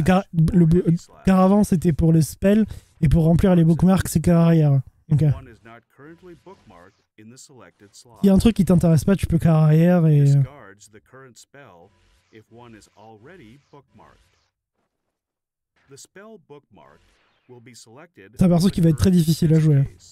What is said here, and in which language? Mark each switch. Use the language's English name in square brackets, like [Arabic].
[French] Oh, caravan, c'était pour les spells et pour remplir les bookmarks, c'est carrière. Ok. S'il y a un truc qui t'intéresse pas, tu peux carrière et. [English] Discards the current spell if one is already bookmarked. The spell bookmarked. [French] C'est un perso qui va être très difficile à jouer.